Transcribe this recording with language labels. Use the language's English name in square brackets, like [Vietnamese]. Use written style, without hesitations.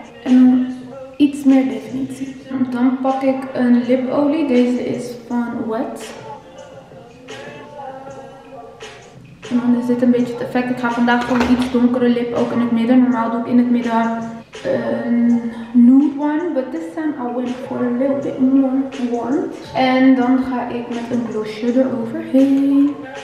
[Dutch] En dan iets meer definitie. Dan pak ik een lipolie. Deze is van Wet. En dan is dit een beetje het effect. Ik ga vandaag gewoon iets donkere lip ook in het midden. Normaal doe ik in het midden een [English] nude one. But this time I went for a little bit more warmth. [Dutch] En dan ga ik met een blushje eroverheen.